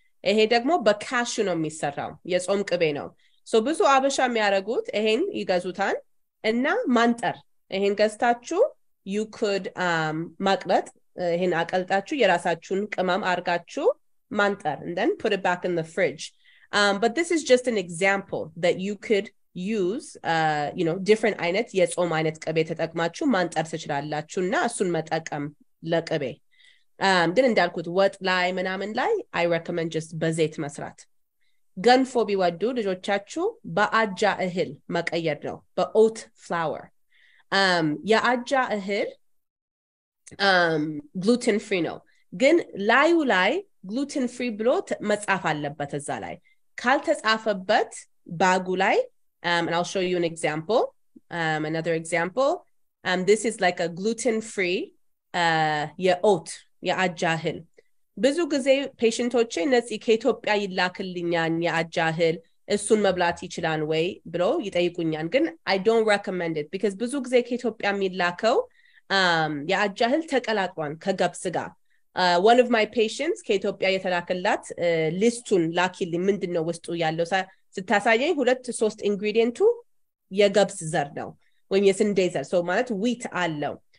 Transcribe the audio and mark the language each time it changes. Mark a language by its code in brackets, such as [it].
[am] ይሄ ደግሞ በካሹ ነው የሚሰራው, የጾም ቅቤ ነው. So ብዙ አበሻ የሚያረጉት ይሄን ይገዙታን እና ማንጠር, ይሄን ገዝታችሁ [en] you could [am] ማቅበጥ, ይሄን አቀልጣችሁ የራሳችሁን ቅመም አርጋችሁ ማንጠር, [en] and then put it back in the fridge. But this is just an example that you could use, you know, different [am] አይነት የጾም አይነት ቅቤ ተጠቅማችሁ ማንጠር ትችላላችሁ እና እሱን መጠቀም ለቅቤ. Then እንዳልኩት ወጥ ላይ ምናምን ላይ [en] I recommend just [am] በዘይት መስራት. ገንፎ ቢወዱ ልጆቻችሁ በአጃ እህል መቀየር ነው, በኦት ፍላወር. የአጃ እህል ግሉተን ፍሪ ነው, ግን ላዩ ላይ ግሉተን ፍሪ ብሎ መጻፍ አለበት እዛ ላይ. ካልተጻፈበት ባጉ ላይ [en] and I'll show you an example, another example. This is like a gluten free [am] የኦት የአጃ እህል. ብዙ ጊዜ ፔሽንቶቼ ነጽ ከኢትዮጵያ ይላክልኛን የአጃ እህል እሱን መብላት ይችላል ወይ ብሎ ይጠይቁኛል, ግን [en] I don't recommend it because [am] ብዙ ጊዜ ከኢትዮጵያ የሚላከው የአጃ እህል ተቀላቅሏል ከገብስ ጋር. [en] One of my patients [am] ከኢትዮጵያ የተላከላት ሊስቱን ላኪልኝ ምንድነው ውስጡ ያለው ስታሳየኝ, ሁለት ሶስት ኢንግሪዲየንቱ የገብስ ዘር ነው ወይም የስንዴ ዘር, so ማለት wheat አለው.